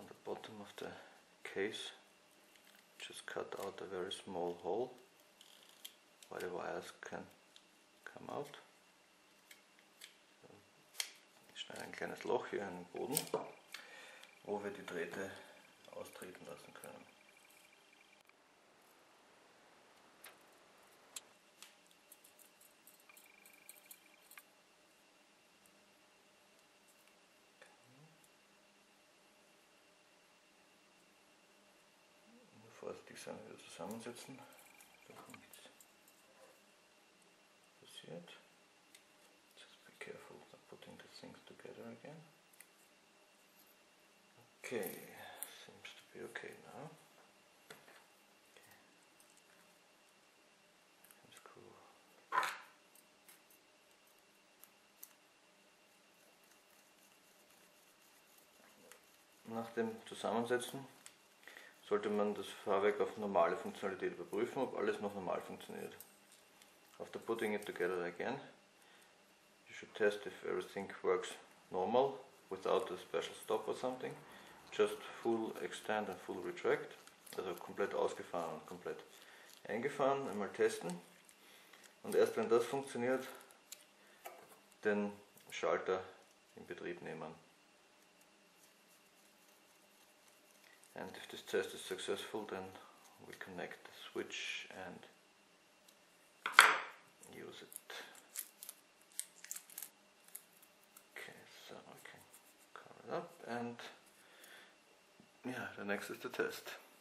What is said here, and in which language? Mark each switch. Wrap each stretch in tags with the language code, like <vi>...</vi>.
<en>Of the case, just cut out a very small hole where the wires can come out.</en> <de>Ich schneide ein kleines Loch hier in den Boden, wo wir die Drähte austreten lassen können. Vorsichtig sein, wieder zusammensetzen, dass nichts passiert.</de> <en>Just be careful not putting the things together again. Okay, seems to be okay now.</en> <de>Nach dem Zusammensetzen sollte man das Fahrwerk auf normale Funktionalität überprüfen, ob alles noch normal funktioniert.</de> <en>After putting it together again, you should test if everything works normal, without a special stop or something. Just full extend and full retract.</en> <de>Also komplett ausgefahren und komplett eingefahren. Einmal testen. Und erst wenn das funktioniert, den Schalter in Betrieb nehmen.</de> <en>And if this test is successful, then we connect the switch and use it. Okay, so I can cover it up and yeah, the next is the test.</en>